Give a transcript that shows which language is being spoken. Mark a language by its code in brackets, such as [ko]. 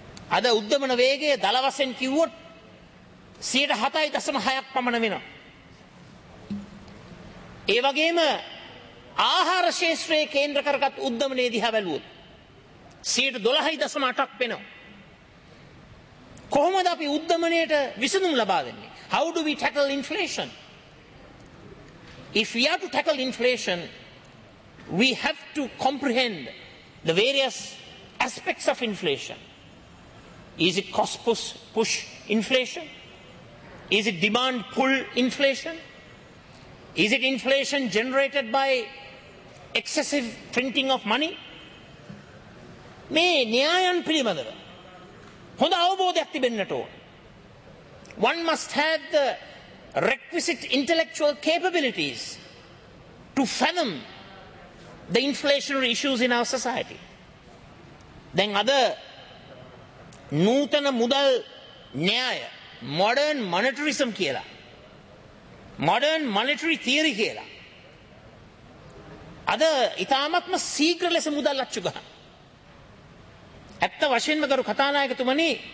[si] අද උද්ධමන වේගය දළ වශයෙන් කිව්වොත් 7.6% පමණ වෙනවා. ඒ වගේම ආහාර ශේෂ්ත්‍රයේ කේන්ද්‍ර කරගත් උද්දමනයේ දිහා බැලුවොත් 12.8% වෙනවා. කොහොමද අපි උද්දමනයට විසඳුම් ලබා දෙන්නේ? [en] How do we tackle inflation? If we are to tackle inflation, we have to comprehend the various aspects of inflation. Is it cost-push inflation? Is it demand-pull inflation? Is it inflation generated by excessive printing of money? [si] මේ න්‍යායන් පිළිබඳව හොඳ අවබෝධයක් තිබෙන්නට ඕන. [en] One must have the requisite intellectual capabilities to fathom the inflationary issues in our society. Then other [si] නූතන මුදල් න්‍යාය modern monetarism කියලා modern monetary theory කියලා අද ඉතාමත්ම ශීඝ්‍ර ලෙස මුදල් අච්චු ගන්න ඇත්ත වශයෙන්ම කරු කතානායකතුමනි